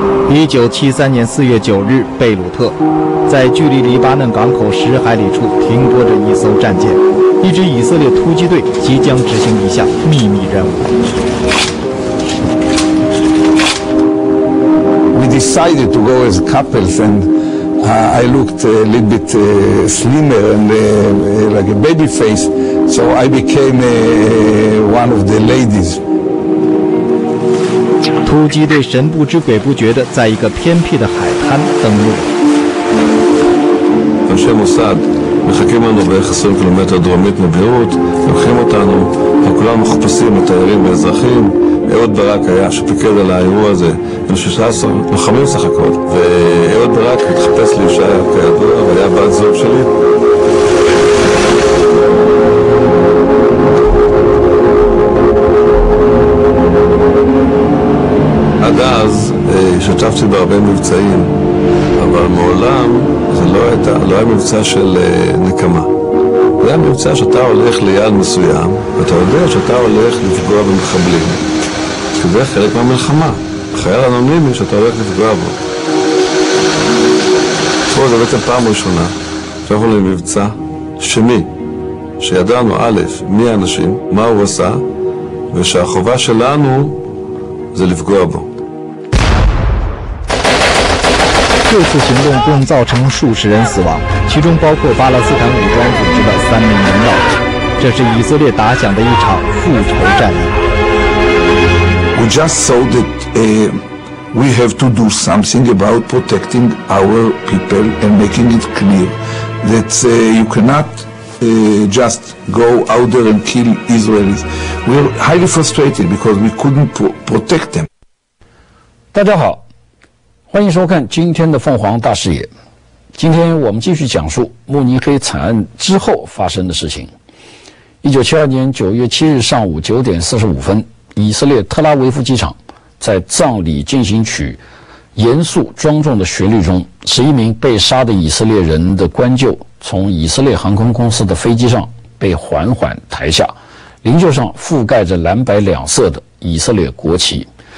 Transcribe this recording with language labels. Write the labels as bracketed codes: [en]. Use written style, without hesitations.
[zh] 1973年4月9日，贝鲁特，在距离黎巴嫩港口10海里处停泊着一艘战舰，一支以色列突击队即将执行一项秘密任务。 [en] We decided to go as couples, and I looked a little bit slimmer and like a baby face, so I became one of the ladies. [zh] 突击队神不知鬼不觉地在一个偏僻的海滩登陆。 [he] אנשי מוסד מחכים לנו בערך 20 קילומטר דרומית מביירות, לוקחים אותנו, וכולם מחפשים את תיירים ואזרחים. אהוד ברק היה שפיקד על האירוע הזה, בן 16, לוחמים סך הכל. ואהוד ברק התחפש לאישה כידוע, והיה בת זוג שלי. אז השתתפתי בהרבה מבצעים, אבל מעולם זה לא היה מבצע של נקמה. זה היה מבצע שאתה הולך ליעד מסוים, ואתה יודע שאתה הולך לפגוע במחבלים. זה חלק מהמלחמה. חייל אנונימי שאתה הולך לפגוע בו. פה זה בעצם פעם ראשונה, שאנחנו למבצע שמי, שידענו א', מי האנשים, מה הוא עשה, ושהחובה שלנו זה לפגוע בו. [zh] 这次行动共造成数十人死亡，其中包括巴勒斯坦武装组织的3名领导者。这是以色列打响的一场复仇战役。 [en] We just saw that we have to do something about protecting our people and making it clear that you cannot just go out there and kill Israelis. We are highly frustrated because we couldn't protect them. [zh] 大家好。欢迎收看今天的凤凰大视野。今天我们继续讲述慕尼黑惨案之后发生的事情。 1972年9月7日上午9点45分，以色列特拉维夫机场在葬礼进行曲严肃庄重的旋律中，11名被杀的以色列人的棺柩从以色列航空公司的飞机上被缓缓抬下，灵柩上覆盖着蓝白两色的以色列国旗。